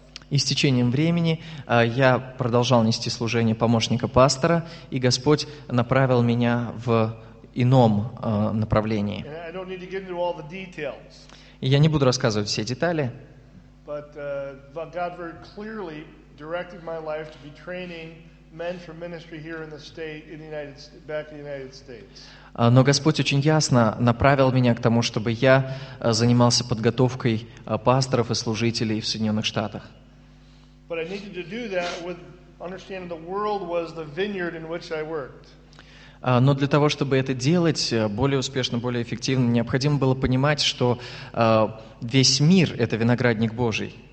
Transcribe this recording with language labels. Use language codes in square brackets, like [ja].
[ru] И с течением времени я продолжал нести служение помощника пастора, и Господь направил меня в ином направлении. [en] I don't need to get into all the details. [ru] Я не буду рассказывать все детали. [en] But God very clearly directed my life to be training men for ministry here in the state, back in the United States. [ru] Но Господь очень ясно направил меня к тому, чтобы я занимался подготовкой пасторов и служителей в Соединенных Штатах. [en] But I needed to do that with understanding the world was the vineyard in which I worked. [ru] Но для того, чтобы это делать более успешно, более эффективно, необходимо было понимать, что весь мир — это виноградник Божий.